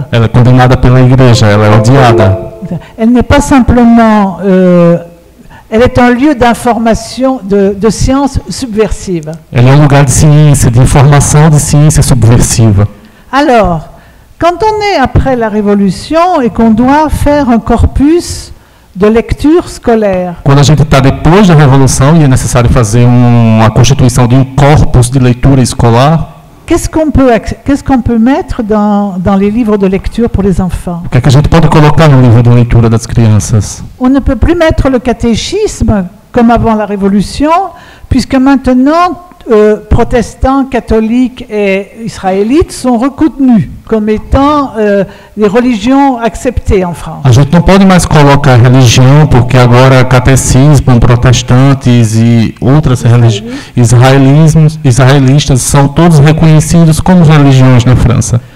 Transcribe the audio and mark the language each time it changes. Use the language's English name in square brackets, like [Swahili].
[Portuguese] Ela é condenada pela Igreja, ela é odiada. [French] Elle n'est pas simplement. Elle est un lieu d'information, de science subversive. [Portuguese] Ela é lugar de ciência, de informação, de ciência subversiva. [French] Alors, quand on est après la Révolution et qu'on doit faire un corpus de lecture scolaire. [Portuguese] Quando a gente está depois da Revolução e é necessário fazer uma constituição de um corpus de leitura escolar. [French] Qu'est-ce qu'on peut mettre dans les livres de lecture pour les enfants? [Portuguese] O que é que a gente pode colocar no livro de leitura das crianças? [French] On ne peut plus mettre le catéchisme comme avant la Révolution, puisque maintenant, protestants, catholiques et israélites sont reconnus comme étant les religions acceptées en France. [Portuguese] A gente não pode mais colocar religião, porque agora catecismo, protestantes e outras religiões, israelistas, são todos reconhecidos como religiões na França.